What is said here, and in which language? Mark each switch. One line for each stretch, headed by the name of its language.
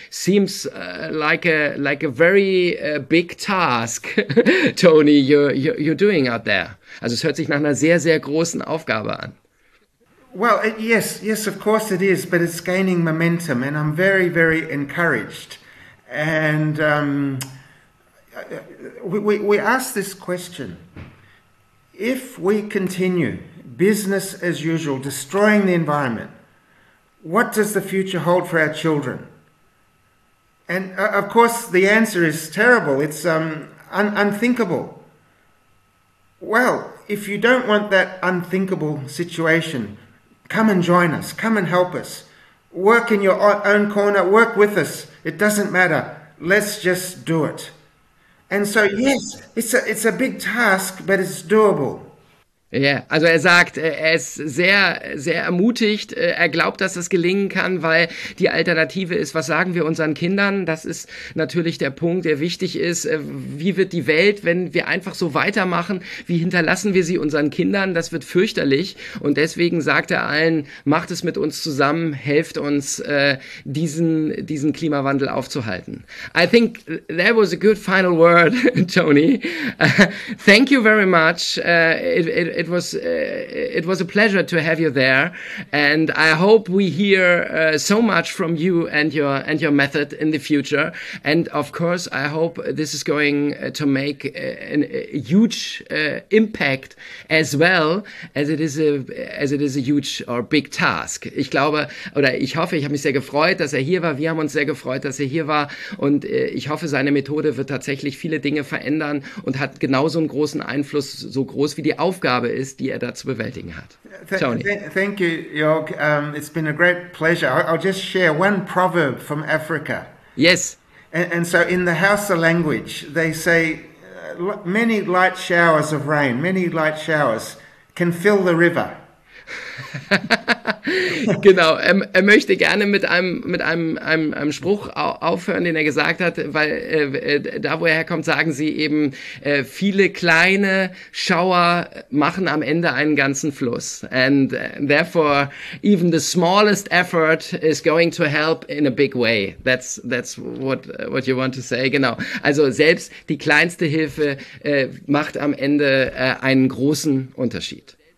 English: Seems like a very big task, Tony, you're doing out there.
German: Also es hört sich nach einer sehr, sehr großen Aufgabe an.
English: Well, yes, of course it is, but it's gaining momentum and I'm very, very encouraged. And we ask this question: if we continue business as usual, destroying the environment, what does the future hold for our children? And of course, the answer is terrible. It's unthinkable. Well, if you don't want that unthinkable situation, come and join us. Come and help us. Work in your own corner. Work with us. It doesn't matter. Let's just do it. And so, yes, it's a big task, but it's doable.
German: Ja, also er sagt, er ist sehr, sehr ermutigt. Er glaubt, dass das gelingen kann, weil die Alternative ist, was sagen wir unseren Kindern? Das ist natürlich der Punkt, der wichtig ist. Wie wird die Welt, wenn wir einfach so weitermachen? Wie hinterlassen wir sie unseren Kindern? Das wird fürchterlich. Und deswegen sagt er allen, macht es mit uns zusammen, helft uns, diesen Klimawandel aufzuhalten.
English: I think that was a good final word, Tony. Thank you very much. It was a pleasure to have you there, and I hope we hear so much from you and your method in the future. And of course, I hope this is going to make a huge impact as well as it is a huge or big task.
German: Ich glaube oder ich hoffe, ich habe mich sehr gefreut, dass er hier war. Wir haben uns sehr gefreut, dass er hier war, und ich hoffe, seine Methode wird tatsächlich viele Dinge verändern und hat genauso einen großen Einfluss, so groß wie die Aufgabe ist, die er da zu bewältigen hat.
English: Tony. Thank you, Jörg. It's been a great pleasure. I'll just share one proverb from Africa. Yes. And so in the Hausa language, they say many light showers of rain, many light showers can fill the river.
German: Genau, er möchte gerne mit einem Spruch aufhören, den er gesagt hat, weil da, wo er herkommt, sagen sie eben, viele kleine Schauer machen am Ende einen ganzen Fluss.
English: And therefore, even the smallest effort is going to help in a big way. That's what you want to say, genau.
German: Also selbst die kleinste Hilfe macht am Ende einen großen Unterschied.